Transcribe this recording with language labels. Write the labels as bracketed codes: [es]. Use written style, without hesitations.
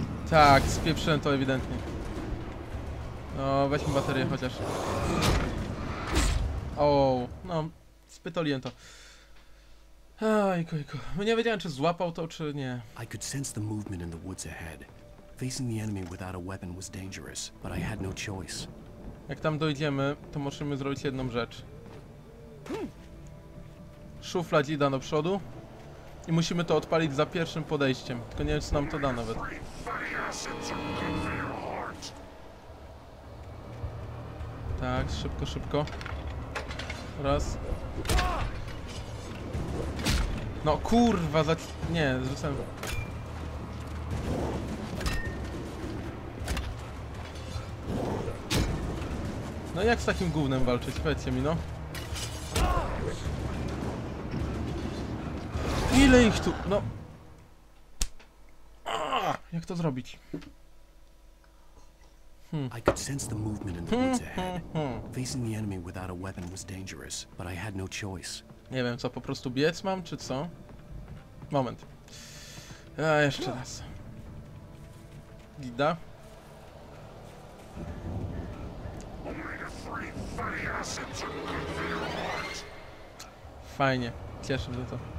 [pl] Tak, spieprzyłem to ewidentnie. No, weźmy baterię chociaż. Ooo, no, spytoliłem to. Ajko. Nie wiedziałem, czy złapał to, czy nie. [en] I could sense the movement in the woods ahead. Facing the enemy without a weapon was dangerous, but I had no choice. [pl] Jak tam dojdziemy, to musimy zrobić jedną rzecz. Szufla idzie do przodu i musimy to odpalić za pierwszym podejściem. Tylko nie wiem, co nam to da nawet. Tak, szybko, szybko. Raz. No kurwa, nie, zrzucałem. No jak z takim gównem walczyć, powiedzcie mi, no. Ile ich tu, no. Jak to zrobić? [en] I could sense the movement in the woods ahead. Facing the enemy without a weapon was dangerous, but I had no choice. [pl] Nie wiem co, po prostu biec mam, czy co? Moment. A jeszcze raz. Gida. Fajnie, cieszę się to.